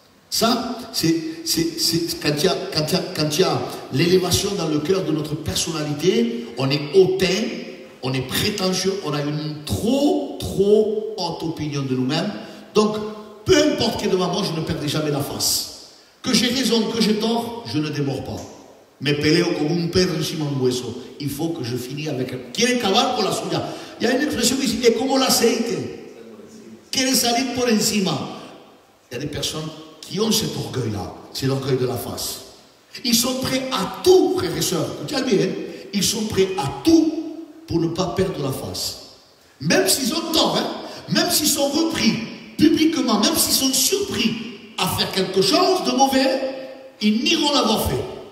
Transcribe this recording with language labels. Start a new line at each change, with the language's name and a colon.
French: Ça, c'est quand il y a l'élévation dans le cœur de notre personnalité, on est hautain, on est prétentieux, on a une trop haute opinion de nous-mêmes. Donc, peu importe qui est devant moi, je ne perdrai jamais la face. Que j'ai raison, que j'ai tort, je ne démords pas.
Spanish: Me peleo como un perro encima de un hueso.
French: Il faut que je finisse avec.
Spanish: Quiere acabar con la suya.
French: Il y a une expression qui dit:
Spanish: es como el aceite. Quiere salir por encima.
French: Il y a des personnes qui ont cet orgueil-là. C'est l'orgueil de la face. Ils sont prêts à tout, frères et sœurs. Écoutez bien. Ils sont prêts à tout pour ne pas perdre la face. Même s'ils ont tort, hein? Même s'ils sont repris publiquement, même s'ils sont surpris à faire quelque chose de mauvais, ils n'iront l'avoir fait.